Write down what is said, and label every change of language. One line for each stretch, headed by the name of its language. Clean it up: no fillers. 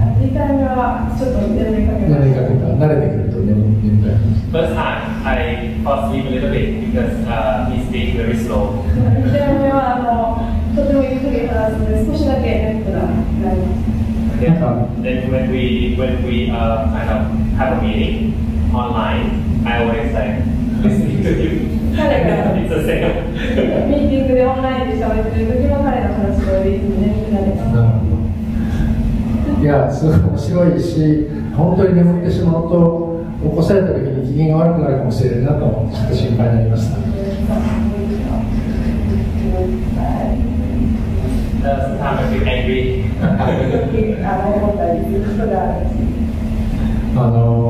Japanese: 二回目はちょっと眠りかけた。眠りかけた。慣れてくると眠りかけた。
English: First time I fall asleep a little bit because he stayed very slow.
Japanese: 二回目はとてもゆっくり話すので少しだけ眠くなりますなんか
English: then when we kind of have a meeting online, I always like listening to you.
Japanese: ミーティングでオンラインで喋ってる時も彼の話をいつも眠くなります。なるほど。いやすごい面白いし本当に眠ってしまうと起こされた時に機嫌が悪くなるかもしれないなと思ってちょっと心配になりました。